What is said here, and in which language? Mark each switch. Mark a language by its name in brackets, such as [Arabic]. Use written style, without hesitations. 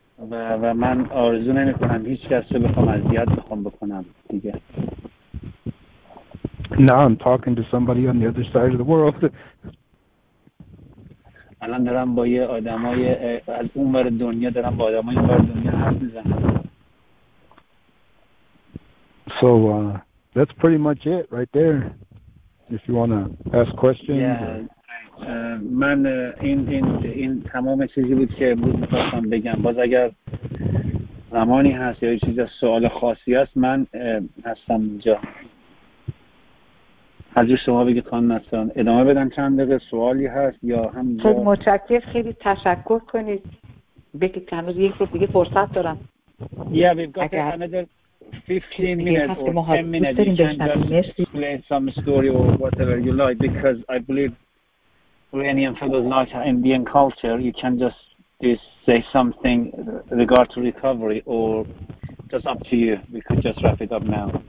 [Persian] و من آرزو نمی کنم هیچ کس رو بخوام اذیت بخوام بکنم دیگه. [English] Now I'm talking to somebody on the other side of the world. [Persian] الان دارم با یه آدمای از اون ور دنیا دارم با آدمای اون ور دنیا حرف میزنم. [English] So that's pretty much it right there. If you want to ask questions. Yeah. [Persian] من این تمام چیزی بود که امروز می‌خواستم بگم. باز اگر زمانی هست یا یه چیز سوال خاصی هست من هستم اینجا. از شما بگید خانم نسان ادامه بدن چند دقیقه سوالی هست یا هم خیلی متشکر. خیلی تشکر کنید. بگید که هنوز یک رو دیگه فرصت دارم. [English] Yeah, we've got [Persian] اگر... [English] another 15 minutes or 10 minutes. You can just explain some story or whatever you like because I believe Iranian fellows like Indian culture. You can just say something regard to recovery or just up to you. We could just wrap it up now.